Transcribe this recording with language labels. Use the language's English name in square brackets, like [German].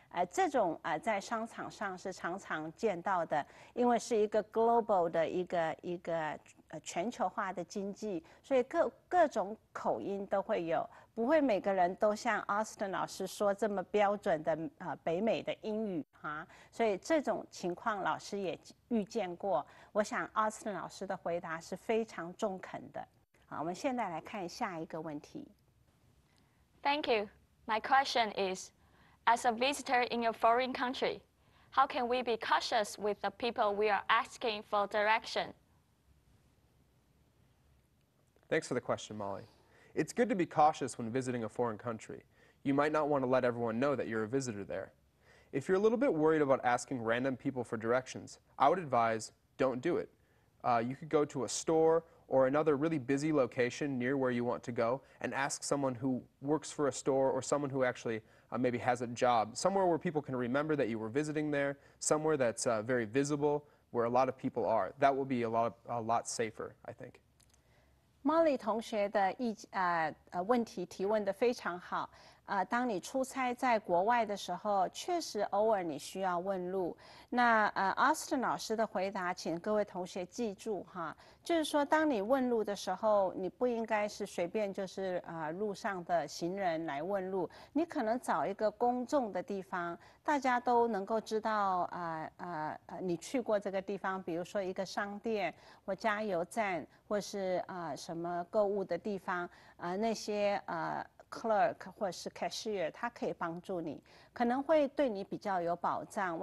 [Chinese] 这种在商场上是常常见到的，因为是一个 global 的一个全球化的经济，所以各种口音都会有，不会每个人都像 Austin 老师说这么标准的北美的英语哈，所以这种情况老师也遇见过。我想 Austin 老师的回答是非常中肯的。好，我们现在来看下一个问题。 [English] Thank you. My question is, as a visitor in a foreign country, how can we be cautious with the people we are asking for direction? Thanks for the question, Molly. It's good to be cautious when visiting a foreign country. You might not want to let everyone know that you're a visitor there. If you're a little bit worried about asking random people for directions, I would advise don't do it. You could go to a store or another really busy location near where you want to go and ask someone who works for a store or someone who actually maybe has a job, somewhere where people can remember that you were visiting there, somewhere that's very visible, where a lot of people are. That will be a lot safer, I think. [Chinese] Molly 同学的问题提问得非常好。当你出差在国外的时候，确实偶尔你需要问路。那Austin 老师的回答，请各位同学记住哈，就是说，当你问路的时候，你不应该是随便就是路上的行人来问路，你可能找一个公众的地方，大家都能够知道你去过这个地方，比如说一个商店或加油站，或是什么购物的地方那些clerk 或是 cashier， 他可以帮助你，可能会对你比较有保障。